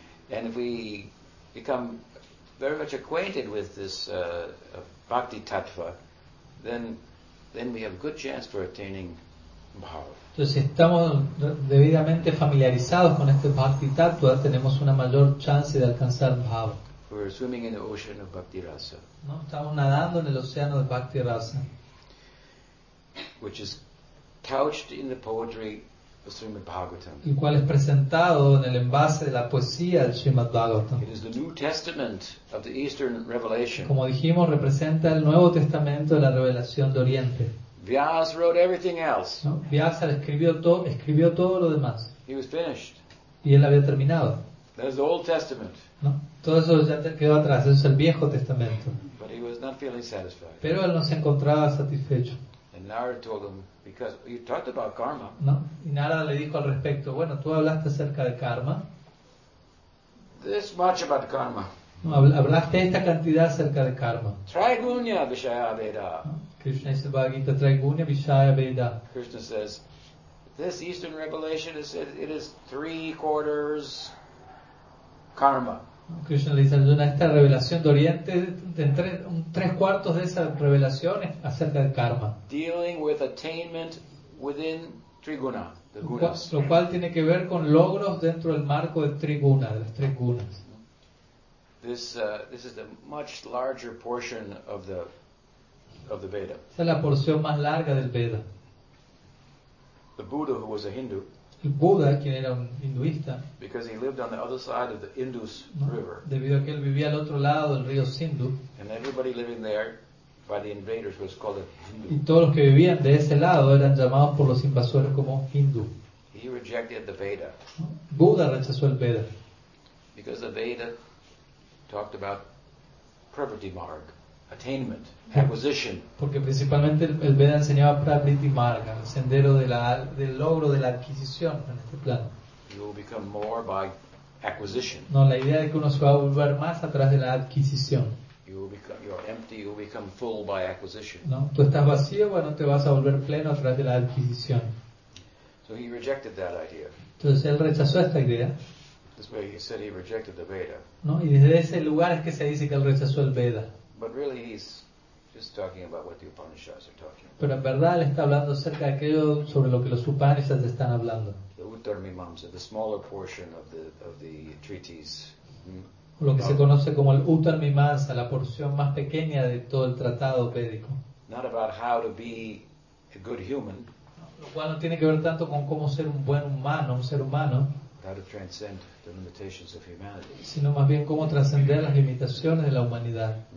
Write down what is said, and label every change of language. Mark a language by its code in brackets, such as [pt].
[en] And if we become very much acquainted with this Bhakti tattva, then we have a good chance for attaining bhava. [es] Entonces, si estamos debidamente familiarizados con este Bhakti tattva, tenemos una mayor chance de alcanzar bhava. [en] We're swimming in the ocean of Bhakti Rasa. [es] No, estamos nadando en el océano de Bhakti Rasa. [en] Which is couched in the poetry the Srimad Bhagavatam. [es] El cual es presentado en el envase de la poesía del Srimad Bhagavatam. [en] It is the New Testament of the Eastern Revelation. [es] Como dijimos, representa el Nuevo Testamento de la Revelación de Oriente. [en] Vyasa wrote everything else. [es] ¿No? Vyasa escribió todo lo demás. [en] He was finished. [es] Y él había terminado. [en] That is the Old Testament. [es] ¿No? Todo eso ya quedó atrás. Eso es el Viejo Testamento. [en] But he was not feeling satisfied. [es] Pero él no se encontraba satisfecho. [en] And Narada told him, because you talked about karma. [es] No. Y Narada le dijo al respecto. Bueno, tú hablaste acerca de karma. [en] This much about karma. [es] No, hablaste esta cantidad acerca de karma. [sa] Trigunya Vishaya Veda. [es] Krishna dice Bhagavad Gita, [sa] Trigunya Vishaya Veda. [en] Krishna says, this Eastern revelation is it is three quarters karma. [es] Krishna le dice, esta revelación de Oriente, tres cuartos de esa revelación es acerca del karma. [en] Dealing with attainment within triguna, the gunas. [es] Lo cual tiene que ver con logros dentro del marco de triguna, de las tres gunas. [en] This is the much larger portion of the Veda. [es] Esta es la porción más larga del Veda. [en] The Buddha, who was a Hindu. [es] El Buda, quien era un hinduista, [en] because he lived on the other side of the Indus, [es] ¿no?, River. Debido a que él vivía al otro lado del río Sindhu. [en] And everybody living there by the invaders was called a Hindu. [es] Y todos los que vivían de ese lado eran llamados por los invasores como Hindu. [en] He rejected the Veda. [es] Buda rechazó el Veda. [en] Because the Veda talked about pravritti marga, attainment, acquisition. [es] Porque principalmente el Veda enseñaba pravritti marga, el sendero del logro de la adquisición en este plano. [en] You will become more by acquisition. [es] No, la idea de que uno se va a volver más atrás de la adquisición. [en] You will become full by acquisition. [es] No, tú estás vacío, bueno, te vas a volver pleno atrás de la adquisición. [en] So he rejected that idea. [es] Entonces él rechazó esta idea. [en] This way he said he rejected the Veda. [es] No, y desde ese lugar es que se dice que él rechazó el Veda. [en] But really he's just talking about what the Upanishads are talking about. [es] Pero en verdad él está hablando acerca de aquello sobre lo que los Upanishads están hablando. [en] The Uttara Mimamsa, the smaller portion of the treatise. [es] O lo que se conoce como el Uttara Mimamsa, la porción más pequeña de todo el tratado védico. [en] Not about how to be a good human. [es] Lo cual no tiene que ver tanto con cómo ser un buen humano, un ser humano. [en] How to transcend the limitations of humanity. [es] Sino más bien cómo trascender las limitaciones de la humanidad.